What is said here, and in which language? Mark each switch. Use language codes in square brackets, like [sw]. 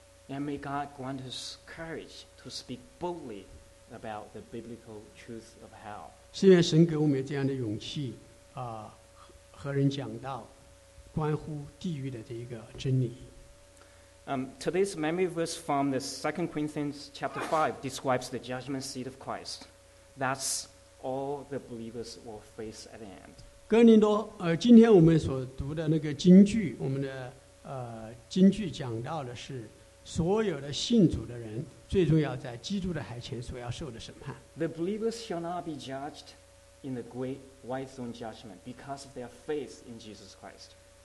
[en] And may God grant us courage to speak boldly about the biblical truth of hell. [zh] 是愿神给我们这样的勇气, 和人讲道, 关乎地狱的这一个真理。 [en] Today's memory verse from the 2 Corinthians chapter 5 describes the judgment seat of Christ. That's all the believers will face at the end. [zh] 哥林多, 今天我们所读的那个经句, 我们的, 经句讲到的是, 所有的信主的人最终要在基督的海前所要受的审判。 [en] The believers shall not be judged in the great white throne judgment because of their faith in Jesus Christ.